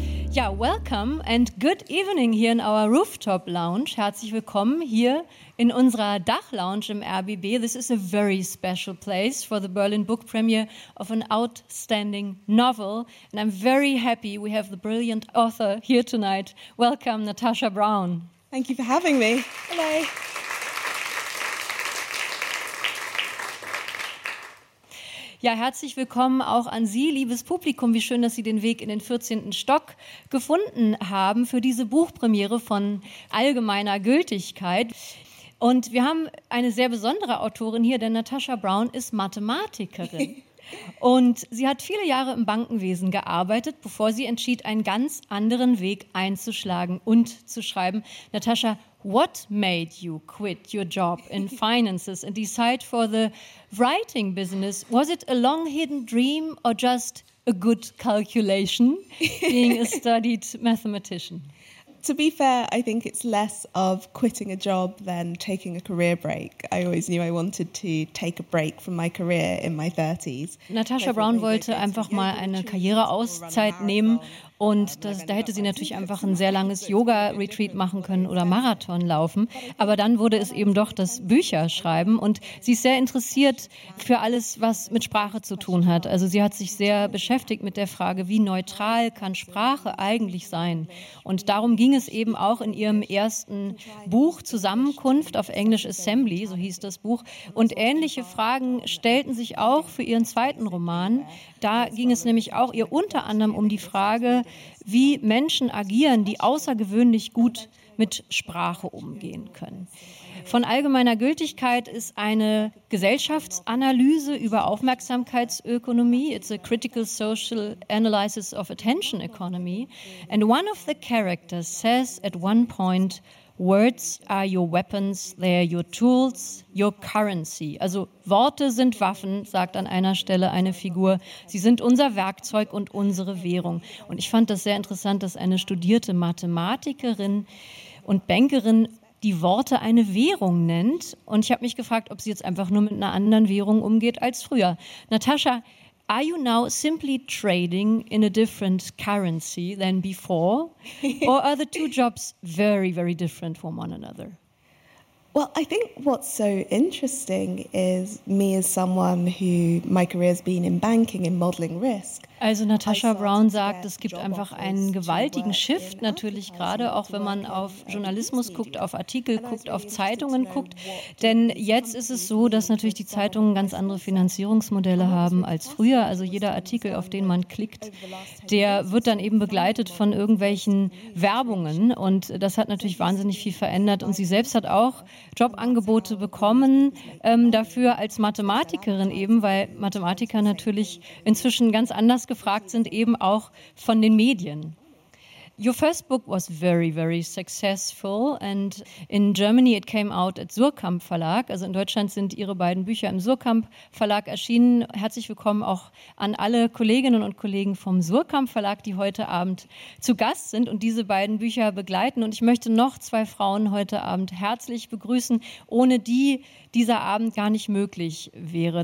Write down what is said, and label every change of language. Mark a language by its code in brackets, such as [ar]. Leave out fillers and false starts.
[en] Ja, welcome and good evening here in our rooftop lounge. [de] Herzlich willkommen hier in unserer Dachlounge im RBB. [en] This is a very special place for the Berlin Book Premiere of an outstanding novel. And I'm very happy we have the brilliant author here tonight. Welcome, Natasha Brown. Thank you for having me. Hello. [de] Ja, herzlich willkommen auch an Sie, liebes Publikum. Wie schön, dass Sie den Weg in den 14. Stock gefunden haben für diese Buchpremiere von allgemeiner Gültigkeit. Und wir haben eine sehr besondere Autorin hier, denn Natasha Brown ist Mathematikerin. Und sie hat viele Jahre im Bankenwesen gearbeitet, bevor sie entschied, einen ganz anderen Weg einzuschlagen und zu schreiben. [en] Natasha, what made you quit your job in finances and decide for the writing business? Was it a long hidden dream or just a good calculation, being a studied mathematician? To be fair, I think it's less of quitting a job than taking a career break. I always knew I wanted to take a break from my career in my 30s. [de] Natasha Brown wollte einfach mal eine Karriereauszeit nehmen und das, da hätte sie natürlich einfach ein sehr langes Yoga-Retreat machen können oder Marathon laufen. Aber dann wurde es eben doch das Bücherschreiben und sie ist sehr interessiert für alles, was mit Sprache zu tun hat. Also sie hat sich sehr beschäftigt mit der Frage, wie neutral kann Sprache eigentlich sein? Und darum ging es eben auch in ihrem ersten Buch Zusammenkunft, auf Englisch Assembly, so hieß das Buch. Und ähnliche Fragen stellten sich auch für ihren zweiten Roman. Da ging es nämlich auch ihr unter anderem um die Frage, wie Menschen agieren, die außergewöhnlich gut mit Sprache umgehen können. Von allgemeiner Gültigkeit ist eine Gesellschaftsanalyse über Aufmerksamkeitsökonomie. [en] It's a critical social analysis of attention economy. And one of the characters says at one point, words are your weapons, they are your tools, your currency. [de] Also Worte sind Waffen, sagt an einer Stelle eine Figur. Sie sind unser Werkzeug und unsere Währung. Und ich fand das sehr interessant, dass eine studierte Mathematikerin und Bankerin die Worte eine Währung nennt. Und ich habe mich gefragt, ob sie jetzt einfach nur mit einer anderen Währung umgeht als früher. [en] Natasha, are you now simply trading in a different currency than before? Or are the two jobs very, very different from one another? Well, I think what's so interesting is me as someone who my career has been in banking and modeling risk. [de] Also Natasha Brown sagt, es gibt einfach einen gewaltigen Shift, natürlich gerade auch wenn man auf Journalismus guckt, auf Artikel guckt, auf Zeitungen guckt. Denn jetzt ist es so, dass natürlich die Zeitungen ganz andere Finanzierungsmodelle haben als früher. Also jeder Artikel, auf den man klickt, der wird dann eben begleitet von irgendwelchen Werbungen. Und das hat natürlich wahnsinnig viel verändert. Und sie selbst hat auch Jobangebote bekommen dafür als Mathematikerin eben, weil Mathematiker natürlich inzwischen ganz anders gefragt sind, eben auch von den Medien. [en] Your first book was very, very successful and in Germany it came out at Surkamp Verlag. [de] Also in Deutschland sind Ihre beiden Bücher im Surkamp Verlag erschienen. Herzlich willkommen auch an alle Kolleginnen und Kollegen vom Surkamp Verlag, die heute Abend zu Gast sind und diese beiden Bücher begleiten. Und ich möchte noch zwei Frauen heute Abend herzlich begrüßen, ohne die dieser Abend gar nicht möglich wäre.